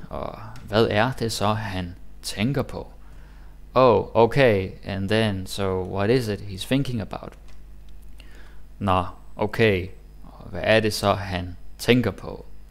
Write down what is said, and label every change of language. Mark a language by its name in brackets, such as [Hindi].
[Danish] Og hvad er det så, han tænker på? [English] Oh, okay. And then, so what is it he's thinking about? [Danish] Nå, okay. Og hvad er det så, han tænker på?